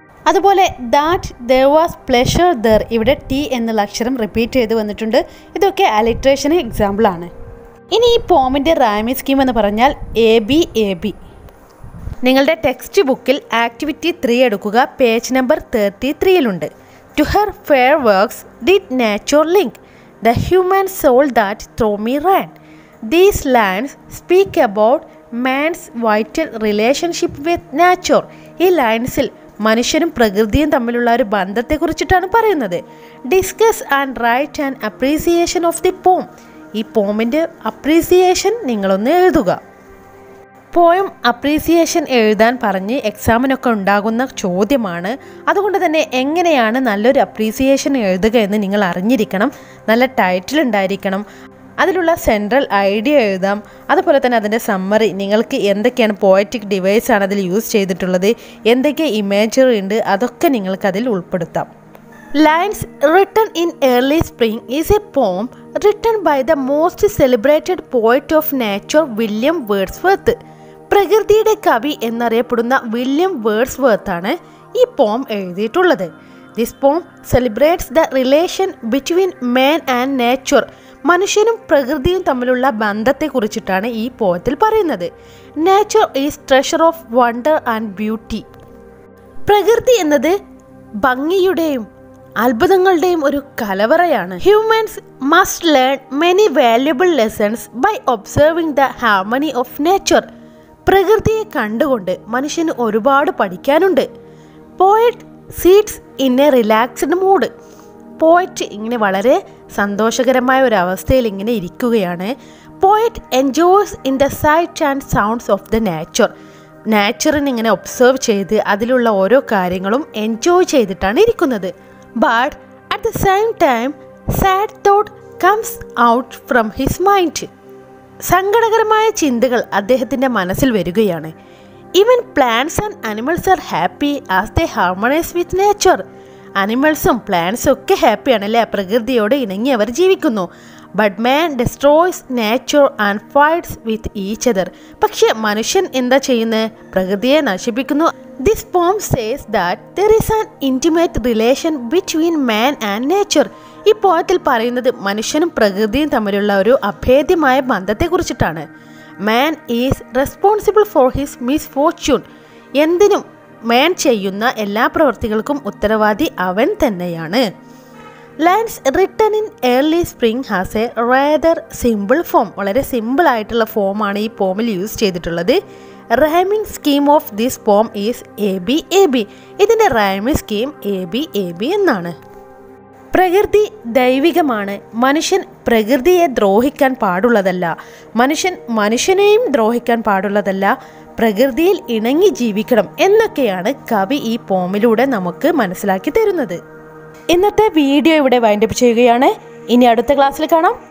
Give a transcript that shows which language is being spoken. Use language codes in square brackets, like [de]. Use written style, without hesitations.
[ml] അതുപോലെ [en] that ദർ was pleasure ദർ, [ml] ഇവിടെ T എന്നുള്ള അക്ഷരം റിപ്പീറ്റ് ചെയ്ത് വന്നിട്ടുണ്ട്. ഇതൊക്കെ അലിട്രേഷന് എക്സാമ്പിളാണ്. ഇനി ഈ പോമിൻ്റെ റൈമിങ് സ്കീം എന്ന് പറഞ്ഞാൽ ABAB. നിങ്ങളുടെ ടെക്സ്റ്റ് ബുക്കിൽ ആക്ടിവിറ്റി 3 എടുക്കുക, പേജ് നമ്പർ 33 ഉണ്ട്. [en] to her fair works did nature link the human soul that through me ran. These lines speak about man's vital relationship with nature. [ml] ഈ ലൈൻസിൽ മനുഷ്യനും പ്രകൃതിയും തമ്മിലുള്ള ഒരു ബന്ധത്തെക്കുറിച്ചിട്ടാണ് പറയുന്നത്. [en] Discuss and write an appreciation of the poem. [ml] ഈ പോമിൻ്റെ appreciation നിങ്ങളൊന്ന് എഴുതുക. പോയം അപ്രീസിയേഷൻ എഴുതാൻ പറഞ്ഞ് എക്സാമിനൊക്കെ ഉണ്ടാകുന്ന ചോദ്യമാണ്. അതുകൊണ്ട് തന്നെ എങ്ങനെയാണ് നല്ലൊരു അപ്രീസിയേഷൻ എഴുതുക എന്ന് നിങ്ങൾ അറിഞ്ഞിരിക്കണം. നല്ല ടൈറ്റിൽ ഉണ്ടായിരിക്കണം, അതിലുള്ള സെൻട്രൽ ഐഡിയ എഴുതാം, അതുപോലെ തന്നെ അതിൻ്റെ സമ്മറി, നിങ്ങൾക്ക് എന്തൊക്കെയാണ് പോയറ്റിക് ഡിവൈസ് ആണ് അതിൽ യൂസ് ചെയ്തിട്ടുള്ളത്, എന്തൊക്കെ ഇമേജറി ഉണ്ട്, അതൊക്കെ നിങ്ങൾക്കതിൽ ഉൾപ്പെടുത്താം. [en] Lines written in early spring is a poem written by the most celebrated poet of nature, William Wordsworth. [ml] പ്രകൃതിയുടെ കവി എന്നറിയപ്പെടുന്ന വില്യം വേർഡ്സ്വർത്ത് ആണ് ഈ പോം എഴുതിയിട്ടുള്ളത്. [en] This poem celebrates the relation between man and nature. [ml] മനുഷ്യനും പ്രകൃതിയും തമ്മിലുള്ള ബന്ധത്തെക്കുറിച്ചിട്ടാണ് ഈ പോയത്തിൽ പറയുന്നത്. [en] Nature is treasure of wonder and beauty. [ml] പ്രകൃതി എന്നത് ഭംഗിയുടെയും അത്ഭുതങ്ങളുടെയും ഒരു കലവറയാണ്. [en] Humans must learn many valuable lessons by observing the harmony of nature. [ml] പ്രകൃതിയെ കണ്ടുകൊണ്ട് മനുഷ്യന് ഒരുപാട് പഠിക്കാനുണ്ട്. [en] Poet sits in a relaxed mood. [ml] Poet ഇങ്ങനെ വളരെ സന്തോഷകരമായ ഒരു അവസ്ഥയിൽ ഇങ്ങനെ ഇരിക്കുകയാണ്. [en] Poet enjoys in the sights and sounds of the nature. [ml] നേച്ചറിനെ ഇങ്ങനെ ഒബ്സർവ് ചെയ്ത് അതിലുള്ള ഓരോ കാര്യങ്ങളും എൻജോയ് ചെയ്തിട്ടാണ് ഇരിക്കുന്നത്. [en] But at the same time, sad thought comes out from his mind. [ml] സങ്കടകരമായ ചിന്തകൾ അദ്ദേഹത്തിൻ്റെ മനസ്സിൽ വരികയാണ്. [en] Even plants and animals are happy as they harmonize with nature. [ml] അനിമൽസും പ്ലാന്റ്സും ഒക്കെ ഹാപ്പിയാണല്ലേ പ്രകൃതിയോട് ഇണങ്ങി അവർ ജീവിക്കുന്നു. [en] But man destroys nature and fights with each other. [ml] പക്ഷേ മനുഷ്യൻ എന്താ ചെയ്യുന്നത്? പ്രകൃതിയെ നശിപ്പിക്കുന്നു. [en] This poem says that there is an intimate relation between man and nature. [ml] ഈ പോയത്തിൽ പറയുന്നത് മനുഷ്യനും പ്രകൃതിയും തമ്മിലുള്ള ഒരു അഭേദ്യമായ ബന്ധത്തെക്കുറിച്ചിട്ടാണ്. [en] Man is responsible for his misfortune. [ml] എന്തിനും മാൻ ചെയ്യുന്ന എല്ലാ പ്രവൃത്തികൾക്കും ഉത്തരവാദി അവൻ തന്നെയാണ്. [en] Lines written in early spring has a rather simple form. [ml] വളരെ സിമ്പിൾ ആയിട്ടുള്ള ഫോമാണ് ഈ പോമിൽ യൂസ് ചെയ്തിട്ടുള്ളത്. [en] Rhyming scheme of this poem is ABAB. [ml] ഇതിൻ്റെ rhyming scheme ABAB എന്നാണ്. പ്രകൃതി ദൈവികമാണ്. മനുഷ്യൻ പ്രകൃതിയെ ദ്രോഹിക്കാൻ പാടുള്ളതല്ല. മനുഷ്യൻ മനുഷ്യനെയും ദ്രോഹിക്കാൻ പാടുള്ളതല്ല. പ്രകൃതിയിൽ ഇണങ്ങി ജീവിക്കണം എന്നൊക്കെയാണ് കവി ഈ പോമിലൂടെ നമുക്ക് മനസ്സിലാക്കി തരുന്നത്. ഇന്നത്തെ വീഡിയോ ഇവിടെ വൈൻഡ് അപ്പ് ചെയ്യുകയാണ്. ഇനി അടുത്ത ക്ലാസ്സിൽ കാണാം.